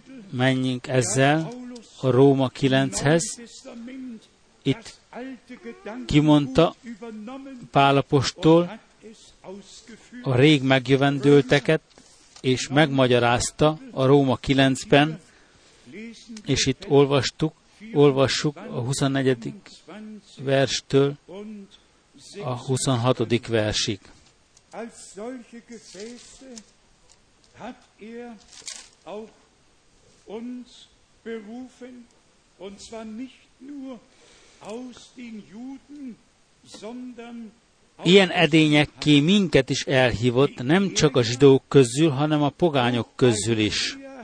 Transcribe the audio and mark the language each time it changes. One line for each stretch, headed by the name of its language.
Hungarian: Menjünk ezzel a Róma 9-hez. Itt kimondta Pál apostol a rég megjövendőlteket, és megmagyarázta a Róma 9-ben, és itt olvassuk a 24. verstől a 26. versig.
German: Als solche Gefäße hat auch uns berufen, und zwar nicht nur aus den Juden, sondern
Hungarian: ilyen edényekké minket is elhívott, nem csak a zsidók közül, hanem a pogányok közül is.